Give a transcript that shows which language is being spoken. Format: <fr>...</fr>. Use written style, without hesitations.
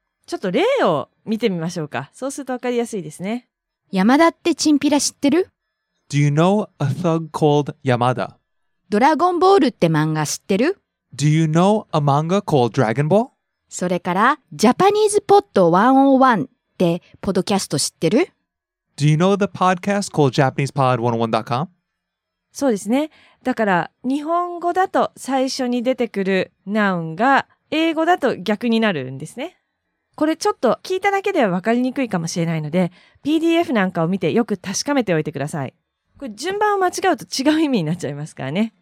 <ja>ちょっと例を見てみましょうか。そうするとわかりやすいですね。山田ってチンピラ知ってる？</ja> <en>Do you know a thug called Yamada?</en> <ja>ドラゴンボールって漫画知ってる？</ja> <en>Do you know a manga called Dragon Ball?</en> <ja>それからジャパニーズポッド101ってポッドキャスト知ってる？</ja> <en>Do you know the podcast called JapanesePod101.com?</en> <ja>そうですね。だから日本語だと最初に出てくるナウンが英語だと逆になるんですね。これちょっと聞いただけでは分かりにくいかもしれないので、PDF なんかを見てよく確かめておいてください。これ順番を間違うと違う意味になっちゃいますからね。</ja>